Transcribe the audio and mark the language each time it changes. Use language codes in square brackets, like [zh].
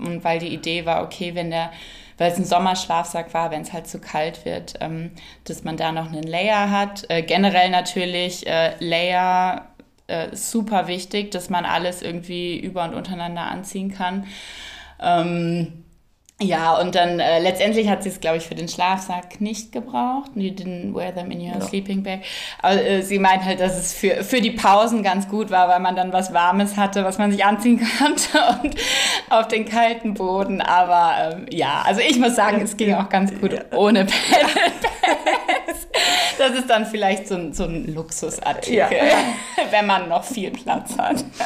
[de] Und weil die Idee war, okay, weil es ein Sommerschlafsack war, wenn es halt zu kalt wird, dass man da noch einen Layer hat. Generell natürlich Layer... super wichtig, dass man alles irgendwie über und untereinander anziehen kann. Und dann letztendlich hat sie es, glaube ich, für den Schlafsack nicht gebraucht. [en] You didn't wear them in your sleeping bag. [de] Aber sie meint halt, dass es für die Pausen ganz gut war, weil man dann was Warmes hatte, was man sich anziehen konnte und auf den kalten Boden. Aber also ich muss sagen, es ging auch ganz gut ohne Pads. Das ist dann vielleicht so ein Luxusartikel, wenn man noch viel Platz hat.